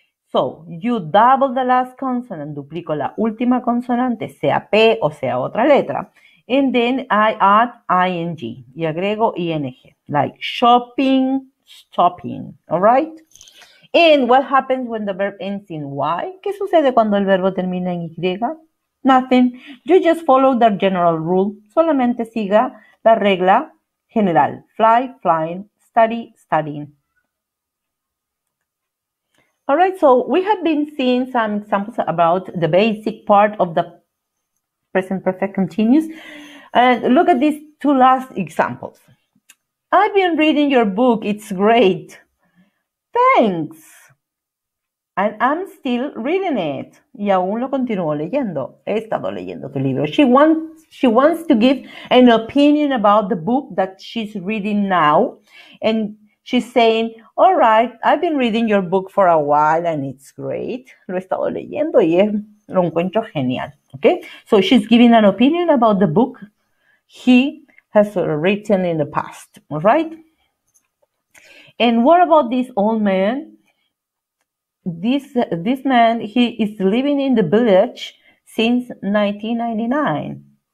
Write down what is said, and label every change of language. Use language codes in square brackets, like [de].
[en] So, you double the last consonant, [es] duplico la última consonante, sea P o sea otra letra. [en] And then I add ing, [es] y agrego ing, [en] like shopping, stopping, all right? And what happens when the verb ends in Y? [es] ¿Qué sucede cuando el verbo termina en Y? [en] Nothing. You just follow the general rule. [es] Solamente siga la regla general, [en] fly, flying, study, studying. All right, so we have been seeing some examples about the basic part of the present perfect continuous. And look at these two last examples. I've been reading your book, it's great. Thanks. And I'm still reading it. [es] Y aún lo continúo leyendo. He estado leyendo tu libro. [en] She wants to give an opinion about the book that she's reading now. And she's saying, all right, I've been reading your book for a while and it's great. [es] Lo he estado leyendo y lo encuentro genial. [en] Okay? So she's giving an opinion about the book he has written in the past. All right? And what about this old man? This man, he is living in the village since 1999.